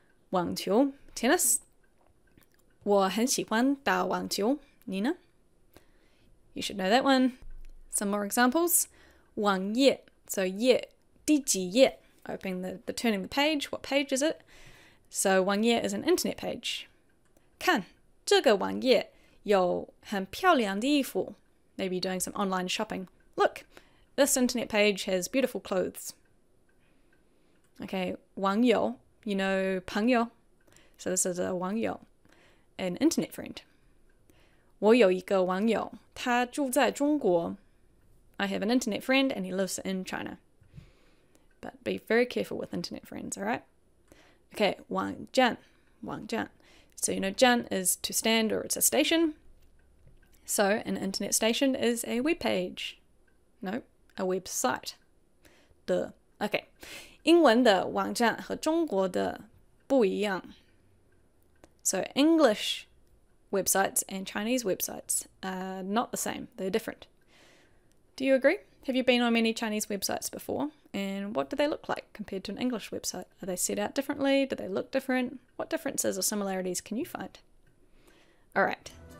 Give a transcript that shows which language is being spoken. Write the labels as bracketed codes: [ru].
[en] 网球, tennis. [zh] 我很喜欢打网球,你呢? [en] You should know that one. Some more examples. [zh] 网页, so 页, 第几页? [en] Opening the turning the page, what page is it? So 网页 is an internet page. [zh] 看,这个网页有很漂亮的衣服. [en] Maybe doing some online shopping. Look, this internet page has beautiful clothes. Okay, 网友, you know 朋友. So this is a 网友, an internet friend. [zh] 我有一个网友,他住在中国. [en] I have an internet friend and he lives in China. But be very careful with internet friends, alright? Okay, 网站, 网站.So you know 站 is to stand or it's a station. So an internet station is a web page. Nope, a website. The okay. [zh] 英文的网站和中国的不一样. [en] So English websites and Chinese websites are not the same. They're different. Do you agree? Have you been on many Chinese websites before? And what do they look like compared to an English website? Are they set out differently? Do they look different? What differences or similarities can you find? All right.